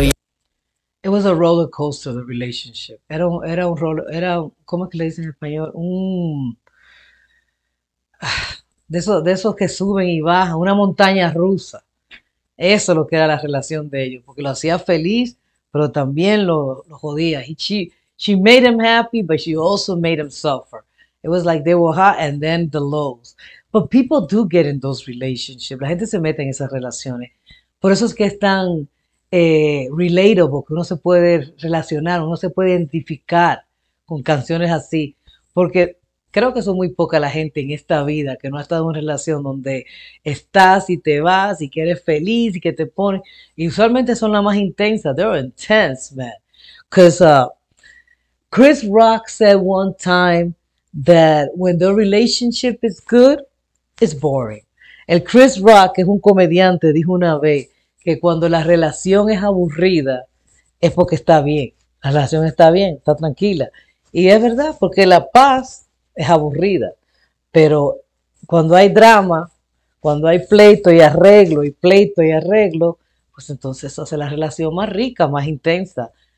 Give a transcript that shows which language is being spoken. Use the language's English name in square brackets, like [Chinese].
[English] It was a roller coaster, the relationship. [Spanish] Era un roller, ¿cómo es que le dicen en español? De esos que suben y bajan, una montaña rusa. Eso es lo que era la relación de ellos. Porque lo hacía feliz, pero también lo jodía. [English] She made him happy, but she also made him suffer. It was like they were hot and then the lows. But people do get in those relationships. [Spanish] La gente se mete en esas relaciones. Por eso es que es tan relatable, que uno se puede relacionar, uno se puede identificar con canciones así, porque creo que son muy poca la gente en esta vida que no ha estado en una relación donde estás y te vas y que eres feliz y que te pone, y usualmente son las más intensas, [English] they're intense, man. Chris Rock said one time that when the relationship is good, it's boring. [Spanish] El Chris Rock, que es un comediante, dijo una vez que cuando la relación es aburrida es porque está bien. La relación está bien, está tranquila. Y es verdad, porque la paz es aburrida. Pero cuando hay drama, cuando hay pleito y arreglo, y pleito y arreglo, pues entonces eso hace la relación más rica, más intensa.